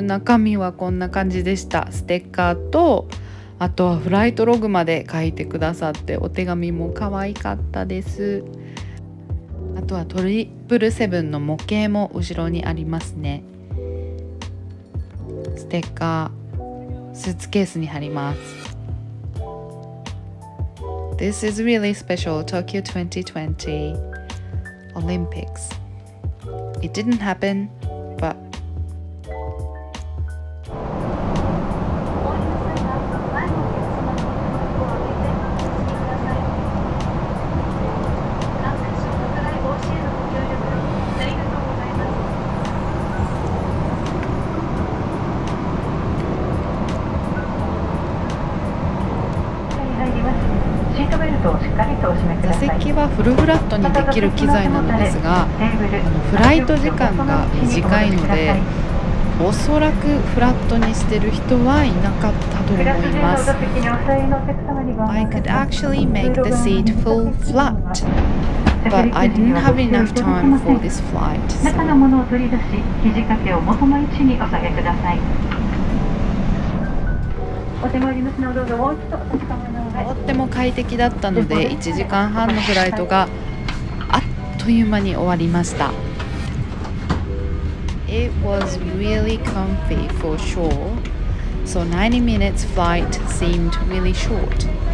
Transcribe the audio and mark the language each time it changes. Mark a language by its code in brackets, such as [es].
[ja] 中身はこんな感じでした。ステッカーとあとはフライトログまで書いてくださって、お手紙も可愛かったです。あとは777の模型も後ろにありますね。ステッカースーツケースに貼ります。 [en] This is really special Tokyo 2020 Olympics. It didn't happen, but [ja] はフルフラットにできる機材なのですが、フライト時間が短いので、おそらくフラットにしてる人はいなかったと思います。 [en] I could actually make the seat full flat, but I didn't have enough time for this flight. [ja] 中のものを取り出し、肘掛けを元の位置にお下げください。とっても快適だったので1時間半のフライトがあっという間に終わりました。 [en] It was really comfy for sure. So 90 minutes flight seemed really short.